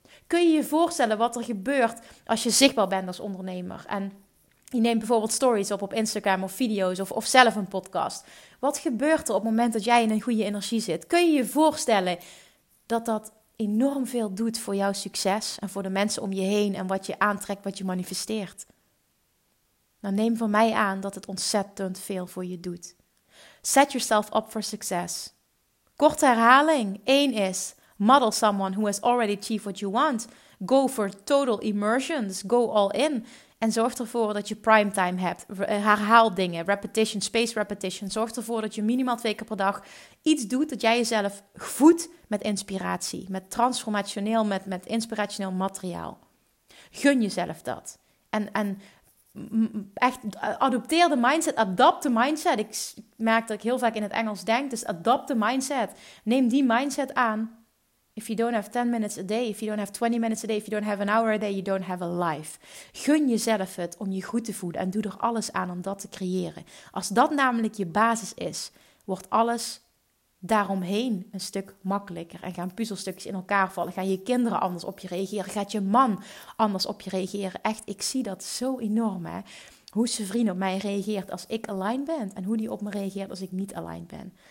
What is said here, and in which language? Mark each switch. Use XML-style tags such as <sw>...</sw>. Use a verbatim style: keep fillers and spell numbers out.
<nl>Kun je je voorstellen wat er gebeurt als je zichtbaar bent als ondernemer en je neemt bijvoorbeeld stories op op Instagram of video's of, of zelf een podcast. Wat gebeurt er op het moment dat jij in een goede energie zit? Kun je je voorstellen dat dat enorm veel doet voor jouw succes en voor de mensen om je heen en wat je aantrekt, wat je manifesteert? Nou, neem van mij aan dat het ontzettend veel voor je doet.</nl> <en>Set yourself up for success.</en> <nl>Korte herhaling. Eén is,</nl> <en>model someone who has already achieved what you want. Go for total immersions. Go all in.</en> <nl>En zorg ervoor dat je primetime hebt. Herhaal dingen.</nl> <en>Repetition, space repetition.</en> <nl>Zorg ervoor dat je minimaal twee keer per dag iets doet dat jij jezelf voedt met inspiratie. Met transformationeel, met, met inspirationeel materiaal. Gun jezelf dat. En, en echt adopteer de mindset. Adapt de mindset. Ik merk dat ik heel vaak in het Engels denk. Dus adapt de mindset. Neem die mindset aan.</nl> <en>If you don't have ten minutes a day, if you don't have twenty minutes a day, if you don't have an hour a day, you don't have a life.</en> <nl>Gun jezelf het om je goed te voelen en doe er alles aan om dat te creëren. Als dat namelijk je basis is, wordt alles daaromheen een stuk makkelijker. En gaan puzzelstukjes in elkaar vallen, gaan je kinderen anders op je reageren, gaat je man anders op je reageren. Echt, ik zie dat zo enorm, hè. Hoe zijn vriend op mij reageert als ik aligned ben en hoe die op me reageert als ik niet aligned ben.</nl>